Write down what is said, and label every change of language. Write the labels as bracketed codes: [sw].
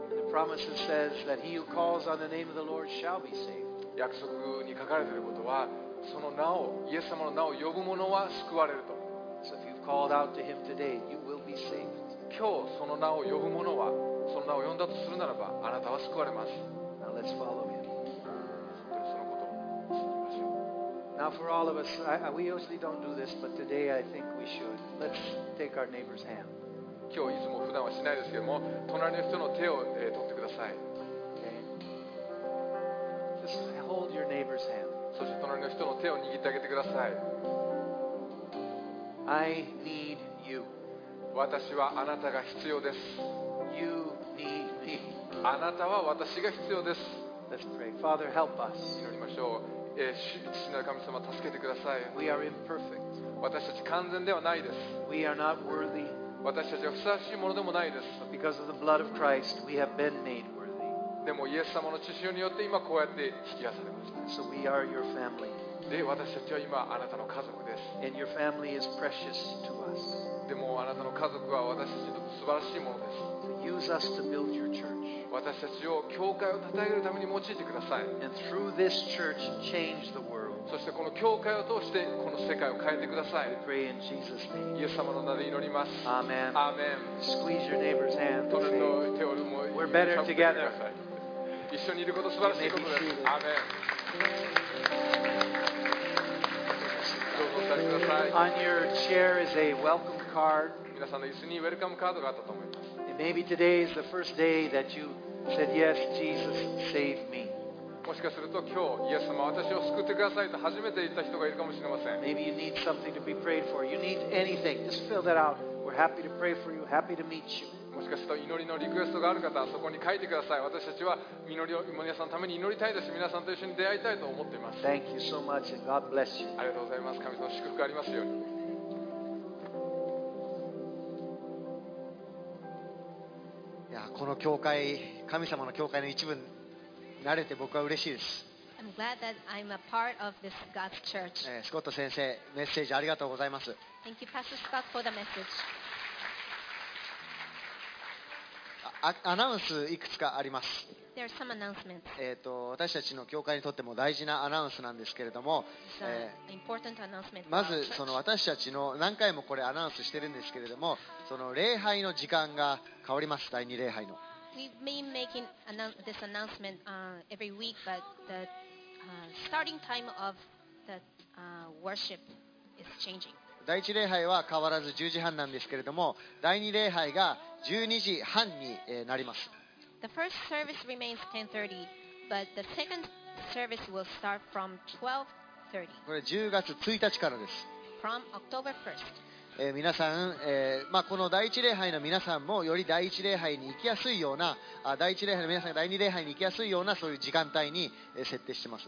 [en] Promise says that he who calls on the name of the Lord shall be saved. [ja] 約束に書かれていることは、その名を、イエス様の名を呼ぶ者は救われると。 [en] So if you've called out to him today, you will be saved. [ja] 今日その名を呼ぶ者は、その名を呼んだとするならば、あなたは救われます。 [en] Now let's follow him. [ja] そのことを信じましょう。 [en] Now for all of us, we usually don't do this, but today I think we should. Let's take our neighbor's hand. [ja] 今日いつも普段はしないですけども、隣の人の手を、取ってください。 [en] Okay. Just hold your neighbor's hand. [ja] そして隣の人の手を握ってあげてください。 [en] I need you. [ja] 私はあなたが必要です。 [en] You need me. [ja] あなたは私が必要です。 [en] Let's pray. Father, help us. [ja] 祈りましょう。父なる神様、助けてください。 [en] We are imperfect. [ja] 私たち完全ではないです。 [en] We are not worthy. [ja] 私たちはふさわしいものでもないです。 [en] But because of the blood of Christ, we have been made worthy. [ja] でもイエス様の血潮によって今こうやって引き出されました。 [en] So we are your family. [ja] で、私たちは今あなたの家族です。 [en] And your family is precious to us. [ja] でもあなたの家族は私たちにとって素晴らしいものです。 [en] So use us to build your church. [ja] 私たちを教会を立て上げるために用いてください。 [en] And through this church, change the world. [ja] そしてこの教会を通してこの世界を変えてください。 [en] We pray in Jesus' name. [ja] イエス様の名で祈ります。アーメン。アーメン。 [en] Squeeze your neighbor's hand. [ja] 隣の手をもう [en] We're better together. [ja] 一緒にいること素晴らしいことです。アーメン。どうぞお座りください。 [en] On your chair is a welcome card. [ja] 皆さんの椅子にウェルカムカードがあったと思います。 [en] And maybe today is the first day that you said yes, Jesus, save me. [ja] もしかすると今日イエス様私を救ってくださいと初めて言った人がいるかもしれません。 [en] Maybe you need something to be prayed for. You need anything. Just fill that out. We're happy to pray for you. Happy to meet you. [ja] もしかすると祈りのリクエストがある方はそこに書いてください。私たちは祈りを皆さんのために祈りたいですし、皆さんと一緒に出会いたいと思っています。 [en] Thank you so much and God bless you. [ja] ありがとうございます。神様の祝福がありますように。いやこの教会、神様の教会の一部。慣れて僕は嬉しいです。 [en] I'm glad that I'm a part of this God's church. [ja] スコット先生、メッセージありがとうございます。 [en] Thank you, Pastor Scott, for the message. [ja] アナウンスいくつかあります。 [en] There are some announcements. [ja] 私たちの教会にとっても大事なアナウンスなんですけれども、 [en] important announcement. [ja] まずその私たちの何回もこれアナウンスしてるんですけれども、その礼拝の時間が変わります。第二礼拝の。 [en] We've been making this announcement every week, but the starting time of the worship is changing. [ja] 第一礼拝は変わらず10時半なんですけれども、第二礼拝が12時半になります。 [en] The first service remains 10:30, but the second service will start from 12:30. [ja] これ10月1日からです。 [en] From October 1st. [ja] 皆さん、まあ、この第一礼拝の皆さんもより第一礼拝に行きやすいような、第一礼拝の皆さんが第二礼拝に行きやすいようなそういう時間帯に設定しています。